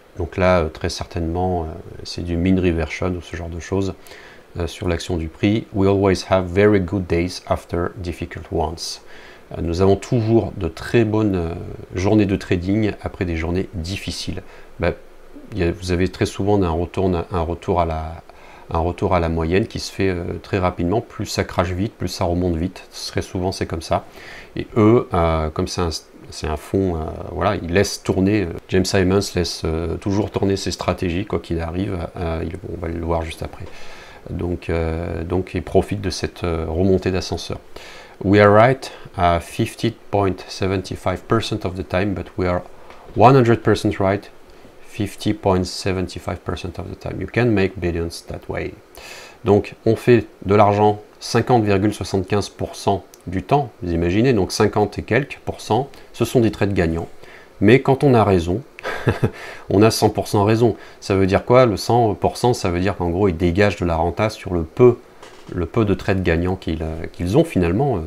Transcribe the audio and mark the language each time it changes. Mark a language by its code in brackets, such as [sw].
[fr] Donc là, très certainement, c'est du mean reversion ou ce genre de choses sur l'action du prix. [en] We always have very good days after difficult ones. [fr] Nous avons toujours de très bonnes journées de trading après des journées difficiles. Vous avez très souvent un retour à la moyenne qui se fait très rapidement. Plus ça crache vite, plus ça remonte vite. Très souvent, c'est comme ça. Et eux, comme c'est un fonds, voilà, il laisse tourner. James Simons laisse toujours tourner ses stratégies, quoi qu'il arrive. On va le voir juste après. Donc il profite de cette remontée d'ascenseur. [en] We are right 50.75% of the time, but we are 100% right 50.75% of the time. You can make billions that way. [fr] Donc on fait de l'argent 50,75% du temps, vous imaginez, donc 50 et quelques pourcents, ce sont des trades gagnants. Mais quand on a raison, on a 100% raison. Ça veut dire quoi? Le 100%, ça veut dire qu'en gros, ils dégagent de la renta sur le peu de trades gagnants qu'ils ont finalement.